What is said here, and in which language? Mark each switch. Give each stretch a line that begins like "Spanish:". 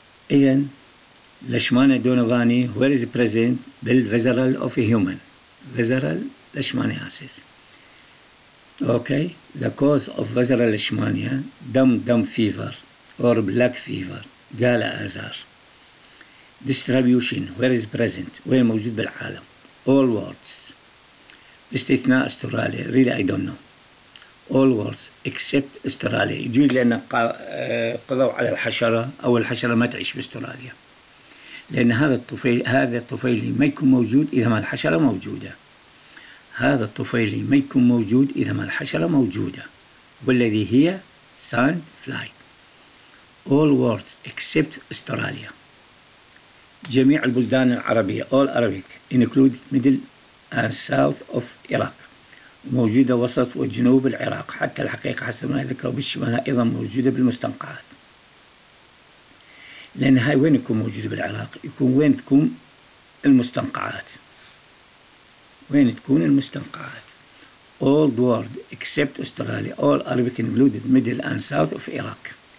Arabic: إذن لشمانة دونوفاني
English: where is present
Arabic: بالفيزرال أوف هيومن فيزرال لشمانياسيس.
English: Okay the cause of visceral leishmania Dum fever or black fever kala azar. Distribution, where is present,
Arabic: وين موجود بالعالم.
English: All worlds,
Arabic: باستثناء أستراليا.
English: Really I don't know. All worlds, except Australia.
Arabic: يجوز لأن قضوا على الحشرة أو الحشرة ما تعيش بأستراليا. لأن هذا الطفيلي ما يكون موجود إذا ما الحشرة موجودة. هذا الطفيلي ما يكون موجود إذا ما الحشرة موجودة. والذي هي sand fly.
English: All worlds, except Australia.
Arabic: جميع البلدان العربية
English: all Arabic include middle and south of Iraq
Arabic: موجودة وسط وجنوب العراق، حتى الحقيقة حسب ما ذكروا بالشمال أيضا موجودة بالمستنقعات. لأن هاي وين يكون موجودة بالعراق؟ يكون وين تكون المستنقعات، وين تكون المستنقعات.
English: All the world except Australia all Arabic included middle and south of Iraq.